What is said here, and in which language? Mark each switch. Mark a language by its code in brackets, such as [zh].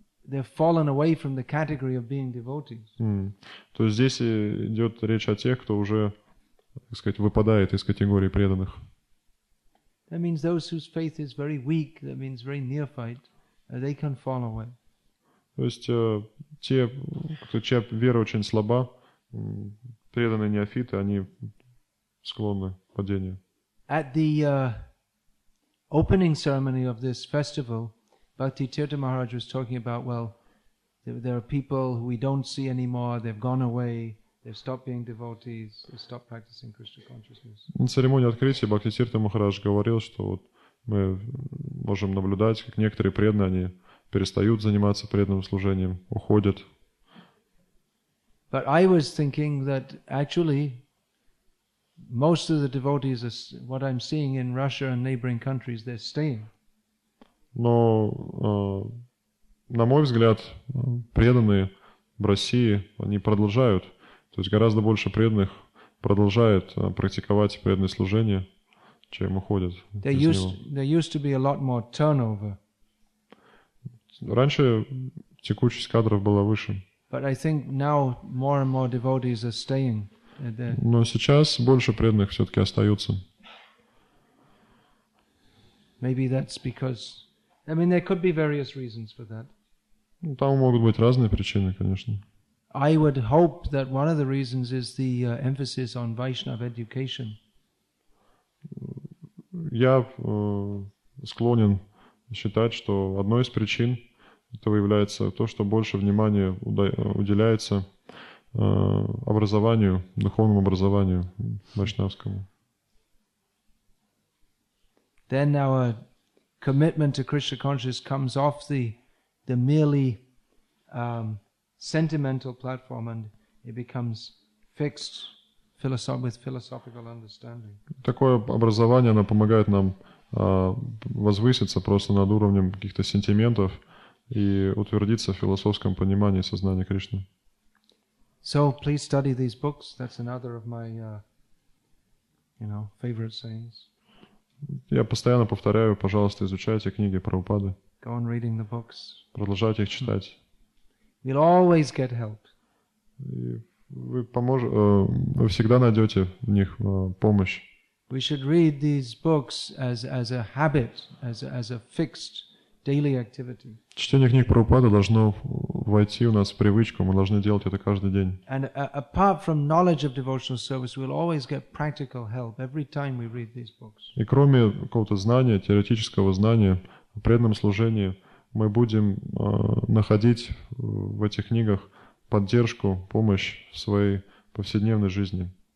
[en] They've fallen away from the category of being devotees. [ru] То есть здесь идет речь о тех, кто уже, так сказать, выпадает из категории преданных. [en] That means those whose faith is very weak. That means very neophyte. They can fall away. [ru] То есть те, кто, чья вера очень слаба, преданные неофиты, они склонны к падению. [en] At the opening ceremony of this festival, Bhakti Tirtha Maharaj was talking about, well, there are people who we don't see anymore, they've gone away, they've stopped being devotees, they've stopped practicing Krishna consciousness. [ru] На церемонии открытия Бхакти Тирта Махарадж говорил, что вот мы можем наблюдать, как некоторые преданные, они перестают заниматься преданным служением, уходят. [en] But I was thinking that actually most of the devotees are, what I'm seeing in Russia and neighboring countries, they're staying. [ru] Но, на мой взгляд, преданные в России, они продолжают, то есть гораздо больше преданных продолжает практиковать преданное служение, чем уходят [en] there used to be a lot more turnover. [ru] Раньше текучесть кадров была выше. [en] But I think now more and more devotees are staying. [ru] Но сейчас больше преданных все-таки остаются. [en] Maybe that's because, I mean, there could be various reasons for that. [ru] Там могут быть разные причины, конечно. [en] I would hope that one of the reasons is the emphasis on Vaishnava education. [ru] Я склонен считать, что одной из причин этого является то, что больше внимания уделяется образованию, духовному образованию вайшнавскому. [en] Then our commitment to Krishna consciousness comes off the merely sentimental platform, and it becomes fixed with philosophical understanding. [ru] Такое образование, оно помогает нам возвыситься просто над уровнем каких-то сентиментов и утвердиться в философском понимании сознания Кришны. [en] So please study these books. That's another of my, you know, favorite sayings. [ru] Я постоянно повторяю, пожалуйста, изучайте книги Прабхупады. [en] Go on reading the books. [ru] Продолжайте их читать. [en] You'll always get help. [ru] Вы всегда найдете в них помощь. [en] We should read these books as a habit, as a fixed daily activity. [ru] Чтение книг Прабхупады должно войти у нас в привычку, мы должны делать это каждый день. [en] And apart from knowledge of devotional service, we'll always get practical help every time we read these books. [ru] И кроме какого-то знания, теоретического знания о преданном служении, мы будем находить в этих книгах поддержку, помощь в своей повседневной жизни.